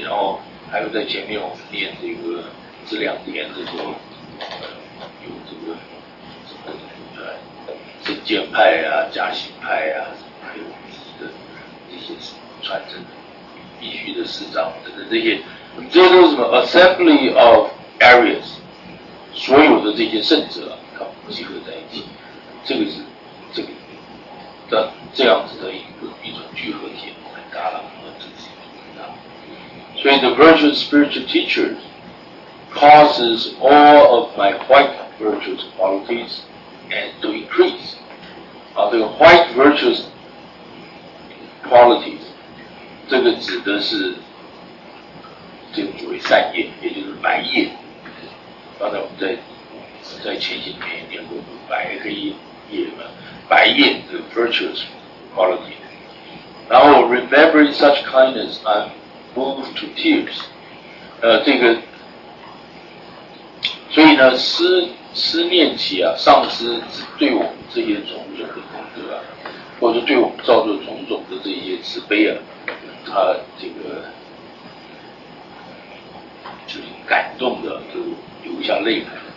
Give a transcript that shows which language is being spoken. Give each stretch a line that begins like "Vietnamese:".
Chinese: 然后还有在前面我们念这个这两天的时候，有这个什么圣剑派啊、加行派啊，还有的这些传承的必须的师长等等这些。这都是什么 ？
English: Assembly of Aryas，
Chinese: 所有的这些圣者，他们集合在一起。这个是这个的这样子的一种聚合体，很大了，和自己很大。
English: 所以 ，the virtuous spiritual teacher causes all of my white virtuous qualities and to increase。啊，这个 white virtuous qualities
Chinese: 这个指的是这个所谓善业，也就是白业。刚才我们在前几天念过白黑业嘛，白业的
English: virtuous quality。然后 remembering such kindness, I'm moved to tears。
Chinese: 这个，所以呢，思念起啊，上师对我们这些种种的功德啊，或者对我们造作种种的这些慈悲啊，他这个就是感动的，就流下泪来。